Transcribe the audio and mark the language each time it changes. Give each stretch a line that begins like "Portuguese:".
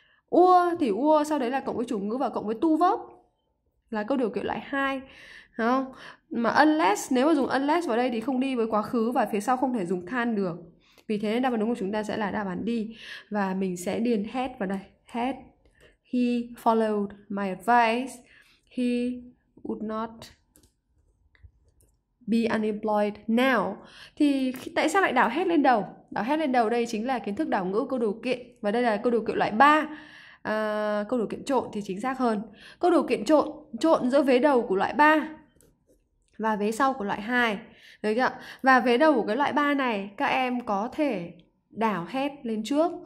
Vietnamese: Were thì were sau đấy là cộng với chủ ngữ và cộng với to verb là câu điều kiện loại 2. Không? Mà unless, nếu mà dùng unless vào đây thì không đi với quá khứ và phía sau không thể dùng than được. Vì thế đáp án đúng của chúng ta sẽ là đáp án D. Và mình sẽ điền had vào đây.
English: Had he followed my advice, he would not be unemployed now.
Vietnamese: Thì tại sao lại đảo had lên đầu? Đảo had lên đầu đây chính là kiến thức đảo ngữ câu điều kiện. Và đây là câu điều kiện loại 3. À, câu điều kiện trộn thì chính xác hơn. Câu điều kiện trộn, trộn giữa vế đầu của loại 3 và vế sau của loại 2. Đấy chưa? Và vế đầu của cái loại 3 này các em có thể đảo hết lên trước.